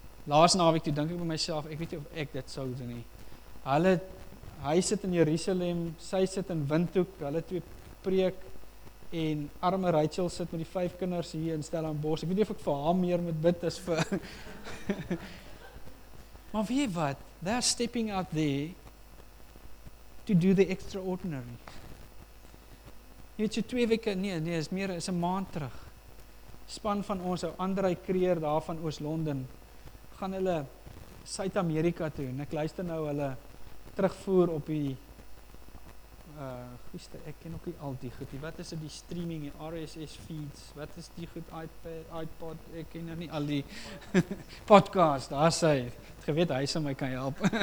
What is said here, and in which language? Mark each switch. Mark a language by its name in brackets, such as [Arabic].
[Afrikaans] Laas naweek toe dink ek by myself, ek weet nie of ek dit sou doen nie. Hy sit in Jerusalem, sy sit in Windhoek, hulle twee preek, en arme Rachel sit met die 5 kinders hier in Stellenbosch. Ek weet nie of ek vir haar meer moet bid as vir... maar weet wat? [English] They are stepping out there to do the extraordinary. [Afrikaans] Jy weet so 2 weke, nee, is 'n maand terug. Span van ons, ou André Kreer daar van Oos-London, gaan hulle Suid-Amerika toe, en ek luister nou hulle terugvoer op die... Gister, ek ken ook nie al die goed, wat is die streaming, die RSS feeds, wat is die goed, iPod, ek ken nie al die podcast, daar is hy, het geweet, hy sal my kan help.